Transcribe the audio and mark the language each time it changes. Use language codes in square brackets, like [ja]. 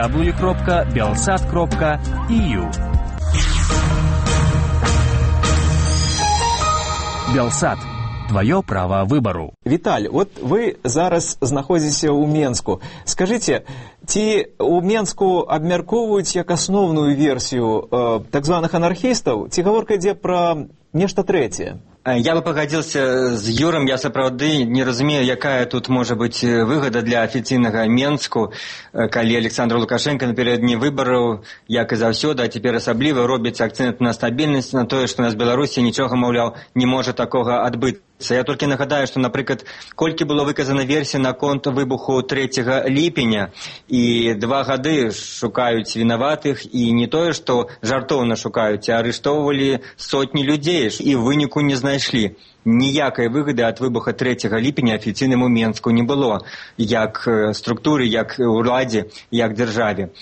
[be] www.belsat.eu Белсад. Твоё права выбару. Віталь, вот вы зараз знаходзіся ў Менску. Скажыце, ці ў Менску абмяркоўваюць як асноўную версію так званых анархістаў, ці гаворка ідзе пра нешта трэцяе? [ru] Я бы погодился с Юром, я сапраўды не разумею, якая тут может быть выгода для официального Менску, коли Александр Лукашенко напередодні выборов, як и завсёды, а теперь особливо робится акцент на стабильность, на то, что у нас в Беларуси ничего, мовляв, не может такого отбыть. [be] Я толькі нагадаю, што, напрыклад, колькі было выказана версія на конт выбуху 3 ліпеня, і 2 гады шукаюць вінаватых, і не тое, што жартоўна шукаюць, а арыштоўвалі сотні людзей, і выніку не знайшлі. Ніякай выгады ад выбуха 3 ліпеня афіцыйнаму Менску не было, як структуры, як уладзе, як дзяржаве.